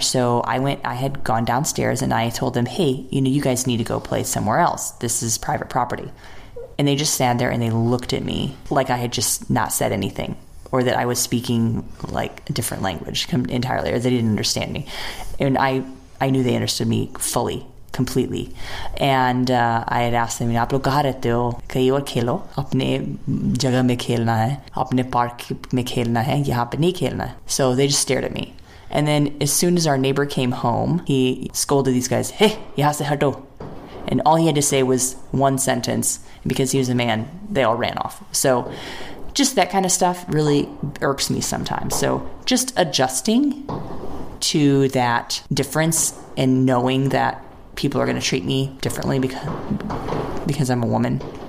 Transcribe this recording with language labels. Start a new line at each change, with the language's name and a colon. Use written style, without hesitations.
English: So I had gone downstairs and I told them, hey, you know, you guys need to go play somewhere else. This is private property. And they just sat there and they looked at me like I had just not said anything, or that I was speaking like a different language entirely, or they didn't understand me. And I knew they understood me fully, completely. And I had asked them,
Hindi: आप लोग कहाँ रहते हो? कहीं और खेलो. अपने जगह में खेलना है. अपने पार्क में खेलना है. यहाँ पे नहीं खेलना.
English: So they just stared at me. And then as soon as our neighbor came home, he scolded these guys, hey,
Hindi: yahan se hato.
English: And all he had to say was one sentence. Because he was a man, they all ran off. So just that kind of stuff really irks me sometimes. So just adjusting to that difference and knowing that people are going to treat me differently because I'm a woman.